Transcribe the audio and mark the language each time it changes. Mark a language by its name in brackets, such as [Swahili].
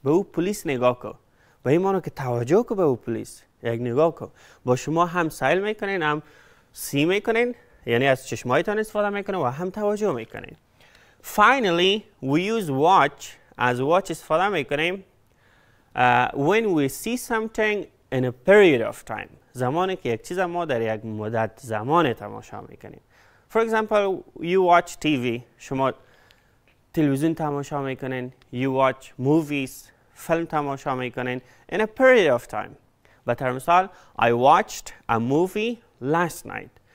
[Persian] به او پلیس نگاه کن. به این معنی که توجه کن به او پلیس. یک نگاه کن. با شما هم سیل میکنین هم سی میکنین. یعنی از چشمایتان استفاده میکنین و هم توجه میکنین. [English] Finally, we use watch. [Persian] از watch استفاده میکنیم. [English] When we see something in a period of time. [Persian] زمانی که یک چیز ما در یک مدت زمان تماشا میکنیم. [English] For example, you watch TV. [Persian] شما تلویزیون تماشا میکنین، [English] you watch movies، [Persian] فلم تماشا میکنین [English] in a period of time. [Persian] به طور مثال [English] I watched a movie last night.